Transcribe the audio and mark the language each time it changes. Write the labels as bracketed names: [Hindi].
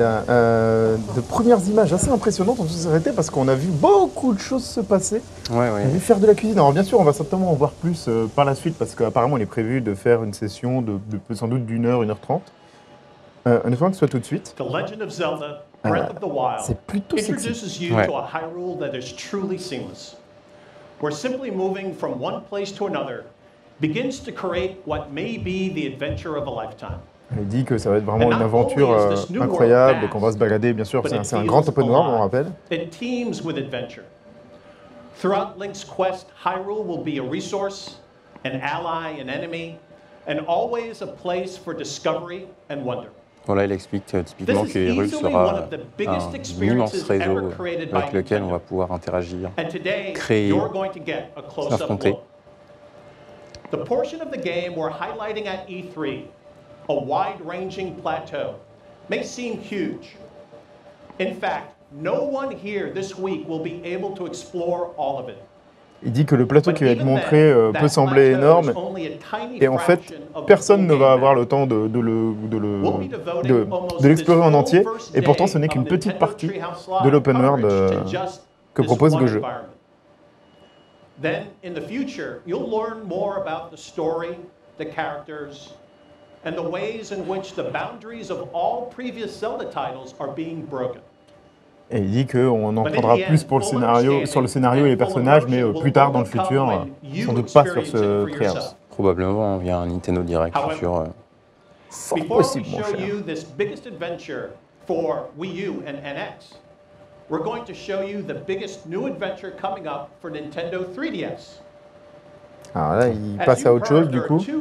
[French] De premières images assez impressionnantes, on s'est arrêté parce qu'on a vu beaucoup de choses se passer. Ouais, ouais. On a vu faire de la cuisine. Alors bien sûr, on va certainement en voir plus par la suite parce qu'apparemment, il est prévu de faire une session de sans doute d'une heure, une heure trente. On espère que ce soit tout de suite. [English] The Legend of Zelda, Breath of the Wild. [French] C'est plutôt sexy. [English] Introduces you ouais. to a Hyrule that is truly seamless. We're simply moving from one place to another, begins to create what may be the adventure of a lifetime. [French] Il dit que ça va être vraiment une aventure incroyable et qu'on va se balader, bien sûr, c'est un grand open world, on rappelle. [English] It teems with adventure. Throughout Link's quest, Hyrule will be a resource, an ally, an enemy, and always a place for discovery and wonder. [French] Voilà, il explique typiquement que Hyrule sera un immense réseau avec lequel on va pouvoir interagir, créer, s'affronter. [English] The portion of the game we're highlighting at E3, a wide-ranging plateau, may seem huge. In fact, no one here this week will be able to explore all of it. [French] Il dit que le plateau qui va être montré peut sembler énorme, et en fait, personne ne va avoir le temps de l'explorer en entier, et pourtant ce n'est qu'une petite partie de l'open world que propose le jeu. [English] Then, in the future, you'll learn more about the story, the characters, and the ways in which the boundaries of all previous Zelda titles are being broken. [French] Et il dit qu'on en prendra plus pour le scénario, sur le scénario et les personnages, mais plus tard dans le futur, sans doute pas sur ce Treehouse. Probablement via un Nintendo Direct futur. C'est possible, mon cher. [English] Before we show you this biggest adventure for Wii U and NX, we're going to show you the biggest new adventure coming up for Nintendo 3DS. [French] Alors là, il passe à autre chose, du coup.